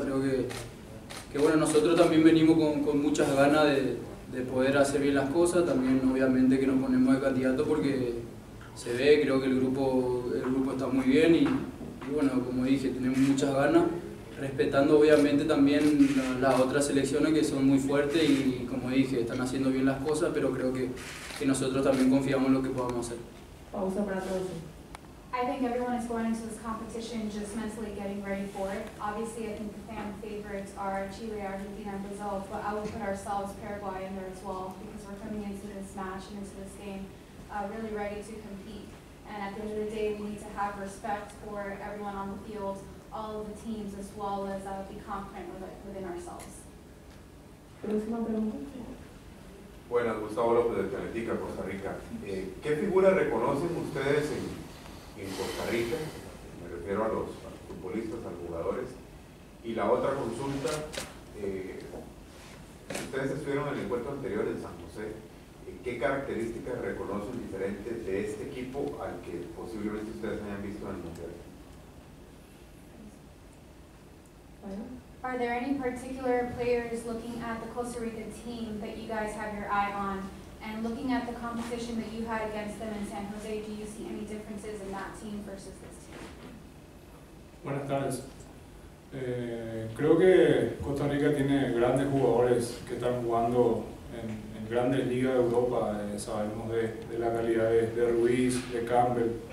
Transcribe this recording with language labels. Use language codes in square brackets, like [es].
[es] Creo que bueno, nosotros también venimos con muchas ganas de poder hacer bien las cosas, también obviamente que nos ponemos de candidato porque se ve, creo que el grupo está muy bien y bueno, como dije, tenemos muchas ganas, respetando obviamente también las otras selecciones que son muy fuertes y como dije, están haciendo bien las cosas, pero creo que nosotros también confiamos en lo que podamos hacer. Pausa para todos. [en] I think everyone is going into this competition just mentally getting ready for it. Obviously, I think the fan favorites are Chile, Argentina, and Brazil, but I would put ourselves, Paraguay, in there as well because we're coming into this match and into this game really ready to compete. And at the end of the day, we need to have respect for everyone on the field, all of the teams, as well as be confident within ourselves. [es] Próxima pregunta. Buenas, Gustavo López de Teletica, Costa Rica. ¿Qué figura reconocen ustedes en Costa Rica? Me refiero a los futbolistas, a los jugadores. Y la otra consulta, ustedes estuvieron en el encuentro anterior en San José. ¿Qué características reconocen diferentes de este equipo al que posiblemente ustedes hayan visto en el Mundial? Bueno. [en] Are there any particular players looking at the Costa Rica team that you guys have your eye on? And looking at the competition that you had against them in San Jose, do you see any differences in that team versus this team? [es] Buenas tardes. Creo que Costa Rica tiene grandes jugadores que están jugando en grandes ligas de Europa. Sabemos de la calidad de Ruiz, de Campbell.